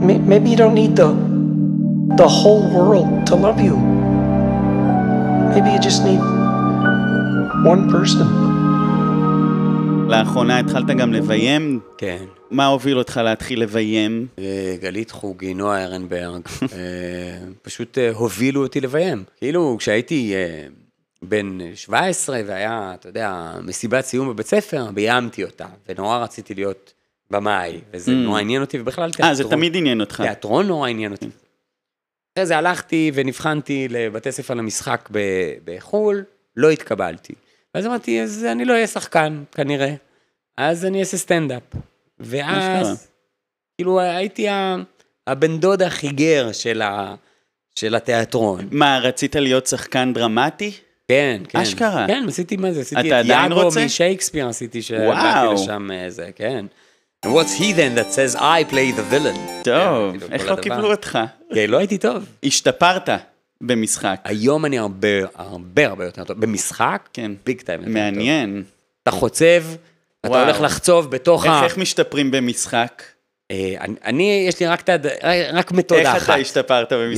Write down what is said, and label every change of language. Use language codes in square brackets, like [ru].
[en] Maybe you don't need the whole world to love you. Maybe you just need one person. [he] לאחרונה התחלת גם לביים? כן. מה הוביל אותך להתחיל לביים? גלית חוגי, נועה ארנברג, פשוט הובילו אותי לביים. כאילו כשהייתי בן 17 והיה, אתה יודע, מסיבת סיום בבית ספר, ביימתי אותה, ונורא רציתי להיות במאי, וזה נורא עניין אותי, ובכלל תיאטרון. זה תמיד עניין אותך. תיאטרון נורא עניין אותי. אחרי זה הלכתי ונבחנתי לבתי ספר למשחק בחול, לא התקבלתי. ואז אמרתי, אז אני לא אהיה שחקן, כנראה. אז אני אעשה סטנדאפ. ואז, כאילו, הייתי הבן דוד החיגר של התיאטרון. מה, רצית להיות שחקן דרמטי? כן, כן. אשכרה? כן, עשיתי מה זה? עשיתי את יאגו משייקספיר, עשיתי שבאתי לשם זה, כן. [en] What's he then that says I play the villain? [he] טוב, איך לא קיבלו אותך? כן, לא הייתי טוב. השתפרת. במשחק. היום אני הרבה, הרבה, הרבה יותר טוב. במשחק? כן. [en] ביג טיים. [he] מעניין. אתה חוצב, אתה הולך לחצוב בתוך ה... איך משתפרים במשחק? אני, יש לי רק מתודה אחת. איך אתה השתפרת במשחק?